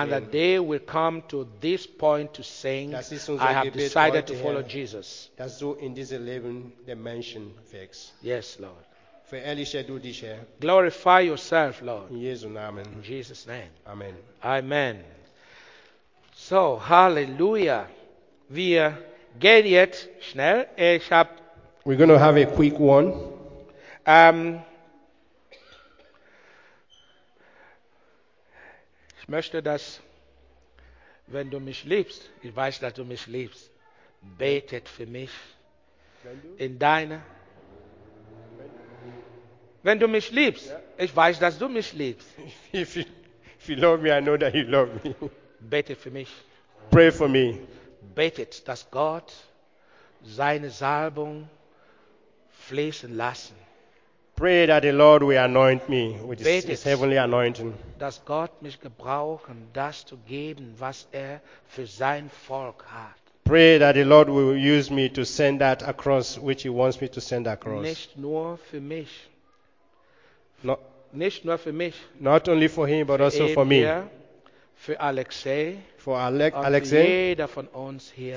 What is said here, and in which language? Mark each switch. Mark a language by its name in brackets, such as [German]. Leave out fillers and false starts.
[English] And that they will come to this point to sing, I have decided to follow Jesus. [German] Dass du in diesem Leben den Menschen wächst. [English] Yes, Lord. [German] Verherrliche du dich, Herr. [English] Glorify yourself, Lord. [German] In Jesu Namen. [English] In Jesus' name. Amen. Amen. So, Halleluja. [German] Wir gehen jetzt schnell. [English] We're going to have a quick one. [German] Ich möchte, dass, wenn du mich liebst, ich weiß, dass du mich liebst, betet für mich in deiner. Wenn du mich liebst, ich weiß, dass du mich liebst. [English] If you love me, I know that you love me. [German] Betet für mich. [English] Pray for me. [German] Betet, dass Gott seine Salbung fließen lassen. [English] Pray that the Lord will anoint me with his heavenly anointing. [German] Dass Gott mich gebrauchen, das zu geben, was für sein Volk hat. [English] Pray that the Lord will use me to send that across, which he wants me to send across. [German] Nicht nur für mich. Nicht nur für mich. [English] Not only for him, but also for me. [German] Für Alexei. [English] For Alexei. [German] Jeder von uns hier.